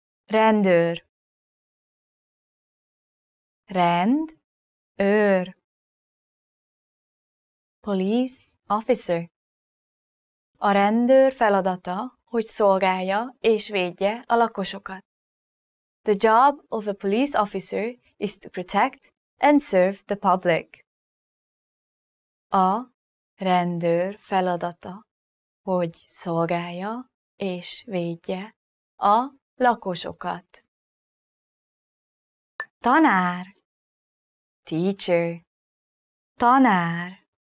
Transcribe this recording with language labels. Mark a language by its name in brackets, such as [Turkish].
[Hungarian] Rendőr. Rend. Őr. [English] Police officer. [Hungarian] A rendőr feladata, hogy szolgálja és védje a lakosokat. [English] The job of a police officer is to protect and serve the public. [Hungarian] A rendőr feladata, hogy szolgálja és védje a lakosokat. Tanár. [English] Teacher. [Hungarian] Tanár.